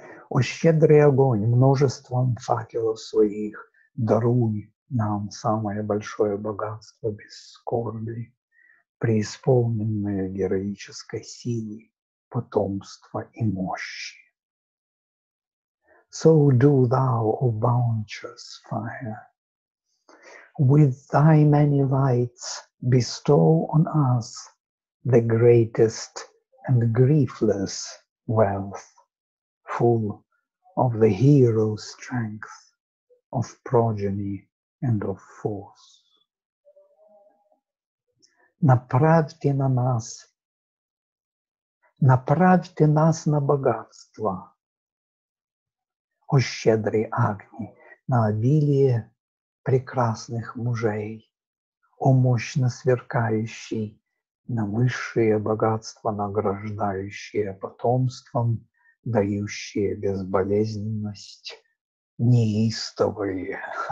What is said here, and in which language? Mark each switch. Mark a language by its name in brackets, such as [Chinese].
[Russian] О щедрый огонь множеством факелов своих, даруй нам самое большое богатство без скорби, преисполненное героической силой, потомства и мощи. [English] So do thou, O bounteous fire, with thy many lights bestow on us the greatest and griefless wealth, full of the hero strength of progeny and of force. [Russian] Направьте на нас Направьте нас на богатство, о щедрый Агни, на обилие прекрасных мужей, о мощно сверкающий, на высшее богатство, награждающее потомством, дающее безболезненность, неистовые.